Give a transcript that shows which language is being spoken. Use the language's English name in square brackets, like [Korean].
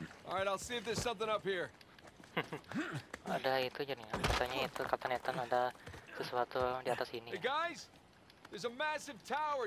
[English] Alright, I'll see if there's something up here. [Indonesian] Ada itu jadi. Katanya itu kata Nathan ada sesuatu di atas ini. [English] Hey guys, there's a massive tower.